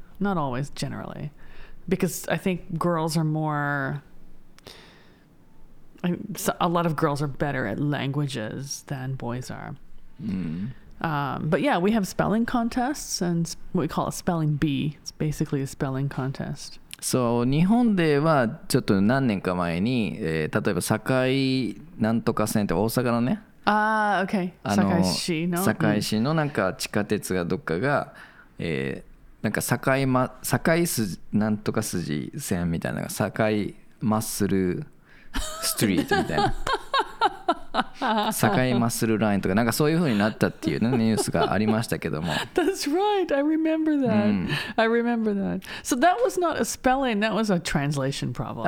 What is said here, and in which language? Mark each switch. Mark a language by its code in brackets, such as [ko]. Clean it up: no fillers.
[en] Not always, generally. Because I think girls are more, a lot of girls are better at languages than boys are. But yeah, we have spelling contests and what we call a spelling bee. It's basically a spelling contest. [ja] So, 日本ではちょっと何年か前に、例えば堺なんとか線って大阪のね。 [en] Ah, okay. [ja] 堺市のなんか地下鉄がどっかが、なんか堺筋なんとか筋線みたいな堺マッスルストリートみたいな。堺マッスルラインとかなんかそういう風になったっていう、ね、ニュースがありましたけども [en] That's right, I remember that、I remember that. So that was not a spelling, that was a translation problem.